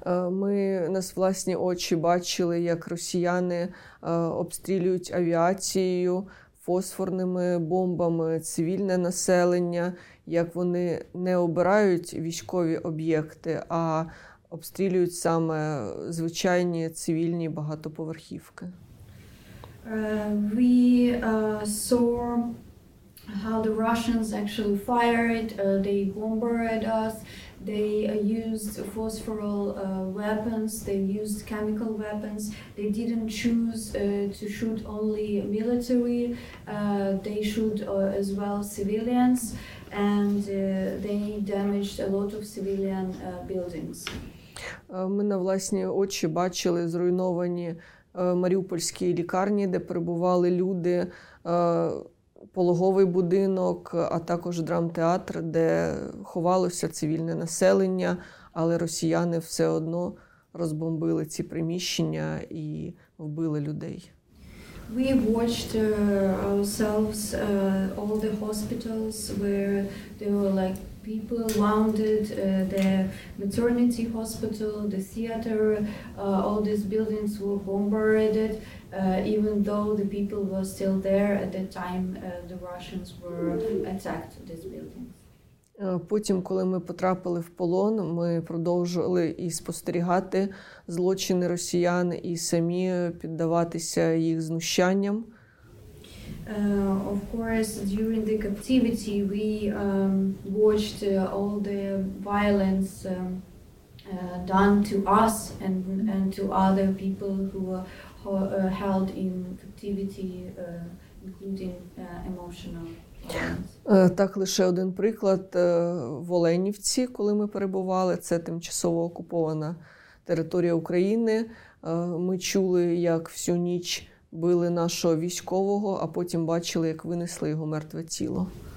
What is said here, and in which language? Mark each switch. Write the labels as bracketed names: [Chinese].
[Ukrainian] Ми на власні очі бачили, як росіяни обстрілюють авіацією, фосфорними бомбами цивільне населення, як вони не обирають військові об'єкти, а обстрілюють саме звичайні цивільні багатоповерхівки. [English] We saw how the Russians actually fired, they bombarded us. They used phosphoral weapons, they used chemical weapons. They didn't choose to shoot only military, they shoot as well civilians, and they damaged a lot of civilian buildings. [Ukrainian] Ми на власні очі бачили зруйновані маріупольські лікарні, де перебували люди, пологовий будинок, а також драмтеатр, де ховалося цивільне населення, але росіяни все одно розбомбили ці приміщення і вбили людей. [English] We watched ourselves all the hospitals where there were like people wounded, the maternity hospital, the theater, all these buildings were bombarded. Even though the people were still there at that time, the Russians were attacked this building. [Ukrainian] Потім, коли ми потрапили в полон, ми продовжували і спостерігати злочини росіян і самі піддаватися їх знущанням. [English] Of course, during the captivity we watched all the violence done to us and to other people who were held in captivity, including emotional violence. [Ukrainian] Так, лише один приклад. В Оленівці, коли ми перебували, це тимчасово окупована територія України, ми чули, як всю ніч били нашого військового, а потім бачили, як винесли його мертве тіло.